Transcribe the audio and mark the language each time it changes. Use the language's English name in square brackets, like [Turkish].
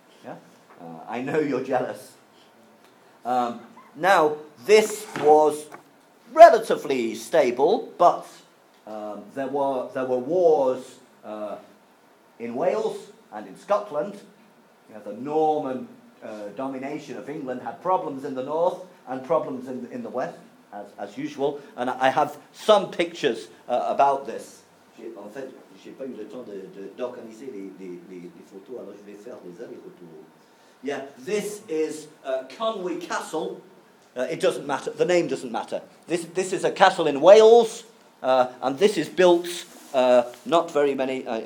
[English] Yeah, I know you're jealous. Now, this was relatively stable, but there were wars in Wales and in Scotland. You know, the Norman domination of England had problems in the north and problems in the west, as usual. And I have some pictures about this. [French] En fait, j'ai pas eu le temps d'organiser les photos, alors je vais faire des allers-retours. [English] Yeah, this is Conwy Castle. It doesn't matter. The name doesn't matter. This is a castle in Wales, and this is built not very many.